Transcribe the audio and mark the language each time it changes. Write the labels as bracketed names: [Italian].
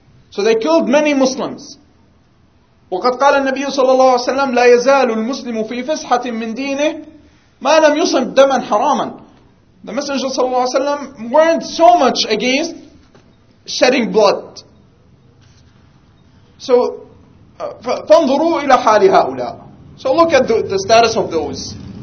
[English] So they killed many Muslims. [Arabic] وقد قال النبي صلى الله عليه وسلم لا يزال المسلم في فسحة من دينه ما لم يصب دما حراما. [English] The Messenger [Arabic] صلى الله عليه وسلم [English] weren't so much against shedding blood. [Arabic] So فانظروا إلى حال هؤلاء. [English] So look at the status of those.